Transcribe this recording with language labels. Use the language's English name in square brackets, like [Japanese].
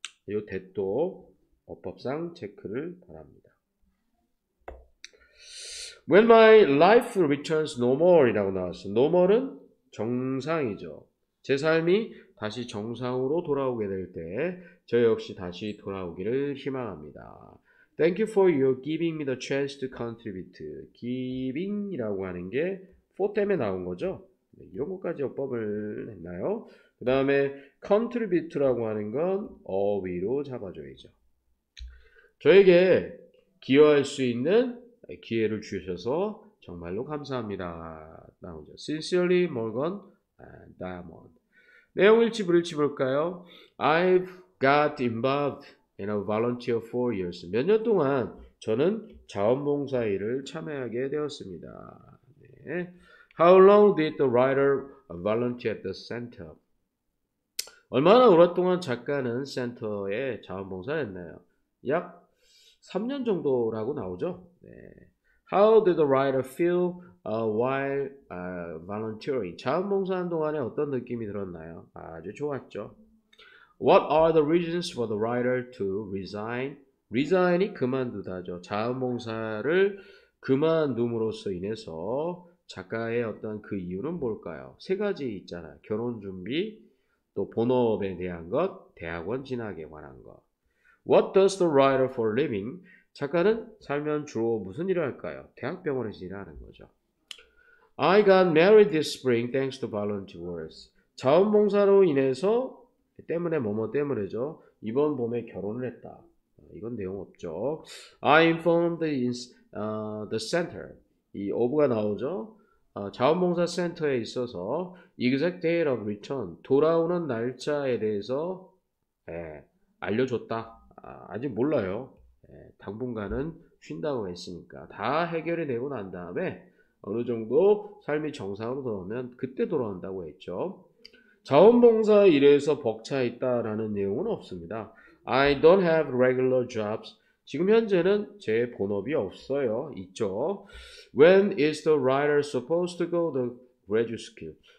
[Korean] 요 대도 어법상 체크를 바랍니다. [English] When my life returns normal이라고 [Korean] 나왔어요. [English] normal은 정상이죠. [Korean] 제 삶이 다시 정상으로 돌아오게 될 때 저 역시 다시 돌아오기를 희망합니다. [English] Thank you for your giving me the chance to contribute. [Korean] giving이라고 하는 게 for 때문에 나온 거죠. 이런 것까지 어법을 했나요? 그 다음에 contribute라고 하는 건 어휘로 잡아줘야죠. 저에게 기여할 수 있는 기회를 주셔서 정말로 감사합니다. 나오죠. Sincerely, Morgan and Diamond. 내용 일치 불일치 볼까요? [English] I've got involved in a volunteer for years. [Korean] 몇 년 동안 저는 자원봉사 일을 참여하게 되었습니다. 네. [English] How long did the writer volunteer at the center? [Korean] 얼마나 오랫동안 작가는 센터에 자원봉사했나요? 약 3년 정도라고 나오죠. 네. [English] How did the writer feel while volunteering? [Korean] 자원봉사하는 동안에 어떤 느낌이 들었나요? 아주 좋았죠. [English] What are the reasons for the writer to resign? [Korean] resign이 그만두다죠. 자원봉사를 그만둠으로써 인해서 작가의 어떤 그 이유는 뭘까요? 세 가지 있잖아요. 결혼 준비, 또 본업에 대한 것, 대학원 진학에 관한 것. [English] What does the writer for a living? [Korean] 작가는 살면 주로 무슨 일을 할까요? 대학병원에서 일하는 거죠. [English] I got married this spring thanks to volunteer work. [Korean] 자원봉사로 인해서 때문에 뭐뭐 때문에죠. 이번 봄에 결혼을 했다. 이건 내용 없죠. [English] I informed the center. [Korean] 이 오브가 나오죠. 자원봉사 센터에 있어서 [English] exact date of return, [Korean] 돌아오는 날짜에 대해서 알려줬다. 아직 몰라요. 당분간은 쉰다고 했으니까 다 해결이 되고 난 다음에 어느 정도 삶이 정상으로 돌아오면 그때 돌아온다고 했죠. 자원봉사 일에서 벅차 있다라는 내용은 없습니다. [English] I don't have regular jobs. [Korean] 지금 현재는 제 본업이 없어요. 있죠. [English] When is the writer supposed to go to graduate school?